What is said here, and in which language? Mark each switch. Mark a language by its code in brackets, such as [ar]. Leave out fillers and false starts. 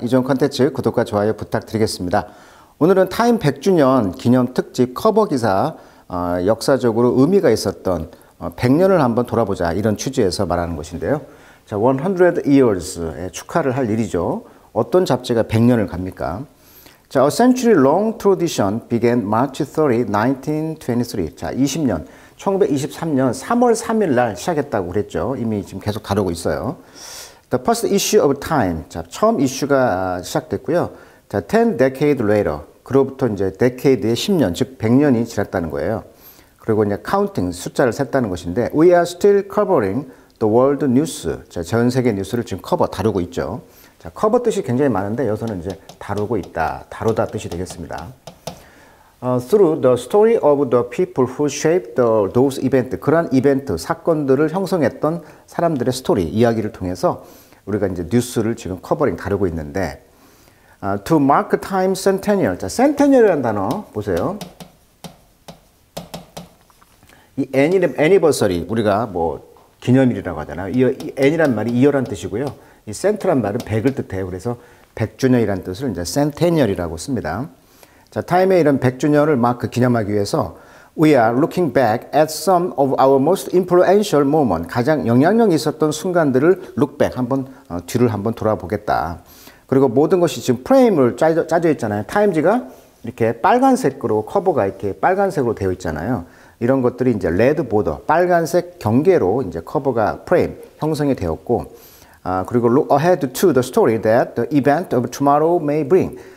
[ko] 이 좋은 컨텐츠 구독과 좋아요 부탁드리겠습니다. 오늘은 타임 100주년 기념 특집 커버 기사 역사적으로 의미가 있었던 100년을 한번 돌아보자 이런 취지에서 말하는 것인데요. 자, [en] 100 years [ko] 의 축하를 할 일이죠. 어떤 잡지가 100년을 갑니까? [en] 자, A century long tradition began March 30, 1923. [ko] 자, 20년. 1923년 3월 3일 날 시작했다고 그랬죠. 이미 지금 계속 다루고 있어요. [en] The first issue of Time. [ko] 자, 처음 이슈가 시작됐고요. [en] The 10 decades later. [ko] 그로부터 이제 데케이드의 10년, 즉 100년이 지났다는 거예요. 그리고 이제 [en] counting, [ko] 숫자를 셌다는 것인데, [en] We are still covering the world news. [ko] 자, 전 세계 뉴스를 지금 커버, 다루고 있죠. 자, 커버 뜻이 굉장히 많은데, 여기서는 이제 다루고 있다, 다루다 뜻이 되겠습니다. [en] Through the story of the people who shaped those events, [ko] 그러한 이벤트, 사건들을 형성했던 사람들의 스토리, 이야기를 통해서 우리가 이제 뉴스를 지금 커버링 다루고 있는데, [en] to mark time centennial. [ko] 자, centennial이라는 단어 보세요. 이 anniversary, 우리가 뭐 기념일이라고 하잖아요. 이 n이란 말이 이어란 뜻이고요. 이 cent란 말은 100을 뜻해요. 그래서 100주년이라는 뜻을 이제 centennial이라고 씁니다. 자, 타임의 이런 100주년을 마크 기념하기 위해서 [en] We are looking back at some of our most influential moments. [ko] 가장 영향력이 있었던 순간들을 [en] look back, [ko] 한번 뒤를 한번 돌아보겠다. 그리고 모든 것이 지금 프레임을 짜져 있잖아요. 타임지가 이렇게 빨간색으로 커버가 이렇게 빨간색으로 되어 있잖아요. 이런 것들이 이제 레드 보더, 빨간색 경계로 이제 커버가 프레임 형성이 되었고, 그리고 [en] look ahead to the story that the event of tomorrow may bring.